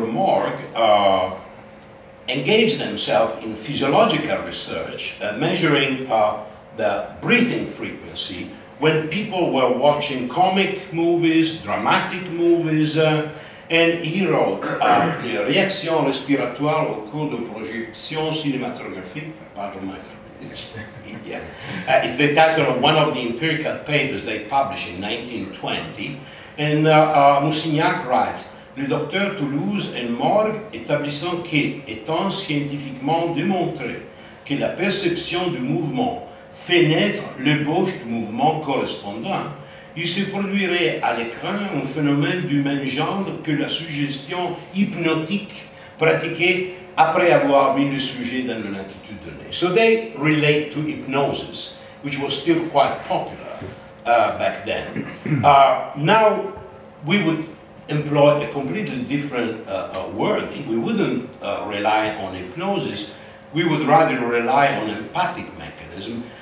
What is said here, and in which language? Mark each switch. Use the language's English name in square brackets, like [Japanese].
[English] Morg, engaged themselves in physiological research, measuring the breathing frequency when people were watching comic movies, dramatic movies, and he wrote the [French] Réaction respiratoire au cours de projection cinématographique. [English] Pardon my French. It's the title of one of the empirical papers they published in 1920. [French] And Moussignac writes, "Le docteur Toulouse et Morgue établissant que, étant scientifiquement démontré que la perception du mouvement fait naître l'ébauche du mouvement correspondant, il se produirait à l'écran un phénomène du même genre que la suggestion hypnotique pratiquée après avoir mis le sujet dans une attitude donnée." [English] So they relate to hypnosis, which was still quite popular back then. Now we would employ a completely different wording. We wouldn't rely on hypnosis. We would rather rely on empathic mechanism.